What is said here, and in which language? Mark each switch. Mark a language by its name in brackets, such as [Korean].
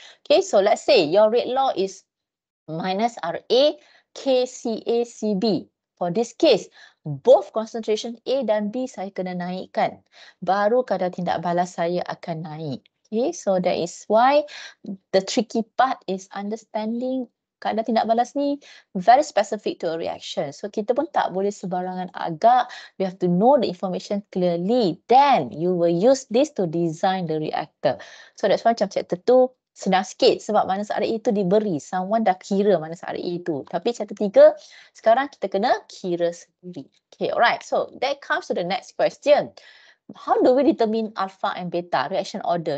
[English] Okay, so let's say your rate law is minus RA KCACB. For this case, both concentration A dan B [Malay] saya kena naikkan. Baru kadar tindak balas saya akan naik. [English] Okay, so that is why the tricky part is understanding [Malay] kadar tindak balas ni [English] very specific to a reaction. [Malay] So kita pun tak boleh sebarangan agak. [English] We have to know the information clearly. Then you will use this to design the reactor. So that's why [Malay] macam chapter 2, senang sikit sebab minus RA itu diberi. Someone dah kira minus RA itu. Tapi chapter 3, sekarang kita kena kira sendiri. Okay, alright. [English] So, that comes to the next question. How do we determine alpha and beta reaction order?